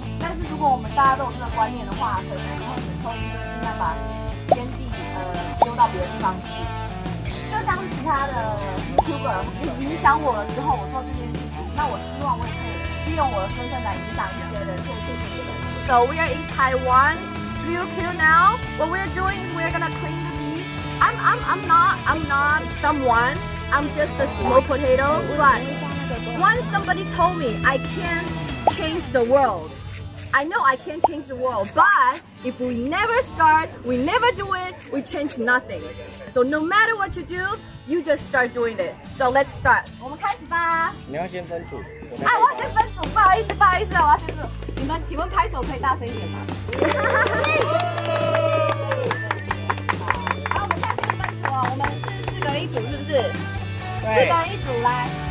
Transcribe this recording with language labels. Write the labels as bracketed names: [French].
[Chinese] 但是如果我们大家都有这个观念的话，可能以后很聪明，就尽量把烟蒂丢到别的地方去。就像其他的 YouTuber 影响我了之后，我做这件事情，那我希望我也可以利用我的身份来影响一些人，做些事情。 [English] So we are in Taiwan, UQ now. What we are doing is we are gonna clean the beach. I'm not someone. I'm just a small potato. But once somebody told me I can change the world. I know I can't change the world, but if we never start, we never do it, we change nothing. So no matter what you do, you just start doing it. So let's start. [Chinese] 我们开始吧。你要先分组。哎，我要先分组，不好意思，不好意思，我要先分组。你们请问拍手可以大声一点吗？好，那我们现在先分组哦，我们是四个人一组，是不是？四个人一组来。